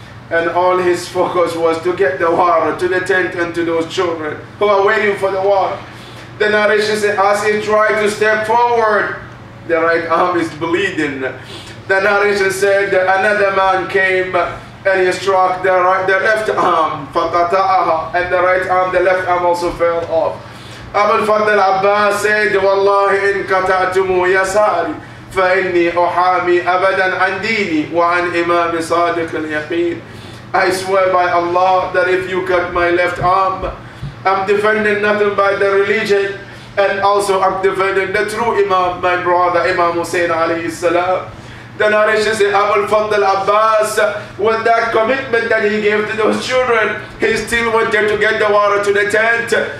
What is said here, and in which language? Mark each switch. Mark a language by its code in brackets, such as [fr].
[en] And all his focus was to get the water to the tent and to those children who are waiting for the water. The narration said, as he tried to step forward, the right arm is bleeding. The narration said that another man came and he struck the left arm, [ar] فَقَطَعَهَا, [en] and the right arm, the left arm also fell off. [ar] Abu al-Fadl al-Abbas said, وَاللَّهِ إِن قَتَعْتُمُ يَسَارِ فَإِنِّي أُحَامِي أَبَدًا عَنْ دِينِي وَعَنْ إِمَامِ صَادِقِ الْيَقِينِ. [en] I swear by Allah that if you cut my left arm, I'm defending nothing by the religion, and also I'm defending the true Imam, my brother, Imam Hussein alayhi salam. The narration says Abu al-Fadl al-Abbas, with that commitment that he gave to those children, he still wanted to get the water to the tent.